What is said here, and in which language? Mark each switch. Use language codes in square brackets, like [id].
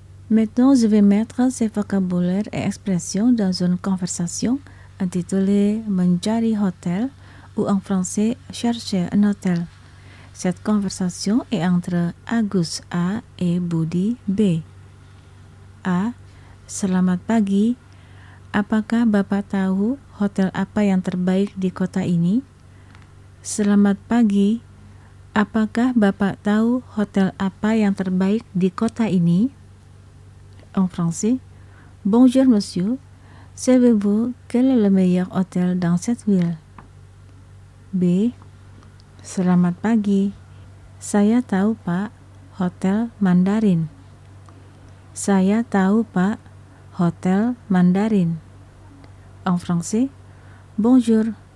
[fr] Maintenant, je vais mettre ces vocabulaires et expressions dans une conversation intitulée « [id] Mencari Hotel [fr] » ou en français « Chercher un hôtel ». Cette conversation est entre Agus A et Budi B. [id] A. Selamat pagi. Apakah Bapak tahu hotel apa yang terbaik di kota ini? Selamat pagi. Apakah Bapak tahu hotel apa yang terbaik di kota ini? [fr] En français. Bonjour monsieur. Savez-vous quel est le meilleur hôtel dans cette ville? [id] B. Selamat pagi. Saya tahu, Pak, Hotel Mandarin. Saya tahu, Pak, Hotel Mandarin. [fr] En français. Bonjour.